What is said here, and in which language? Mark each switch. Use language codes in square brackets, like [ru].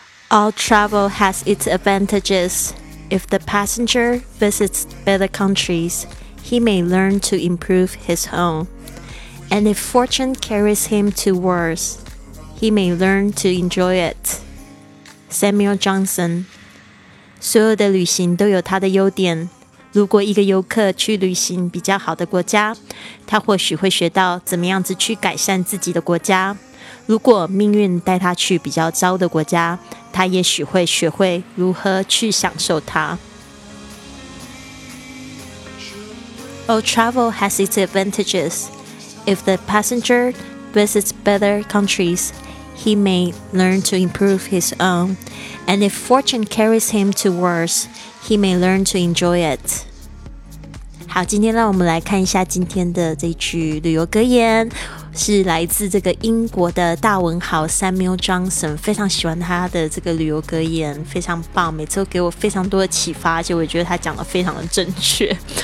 [en] All travel has its advantages. If the passenger visits better countries, he may learn to improve his own. And if fortune carries him to worse, he may learn to enjoy it. Samuel Johnson. [zh] 所有的旅行都有它的优点。如果一个游客去旅行比较好的国家，他或许会学到怎么样子去改善自己的国家。如果命运带他去比较糟的国家，他也许会学会如何去享受它。 [en] All travel has its advantages. If the passenger visits better countries, he may learn to improve his own. And if fortune carries him to worse, he may learn to enjoy it. [zh] 好，今天让我们来看一下今天的这句旅游格言，是来自这个英国的大文豪 Samuel Johnson， 非常喜欢他的这个旅游格言，非常棒，每次都给我非常多的启发，而且我觉得他讲的非常的正确。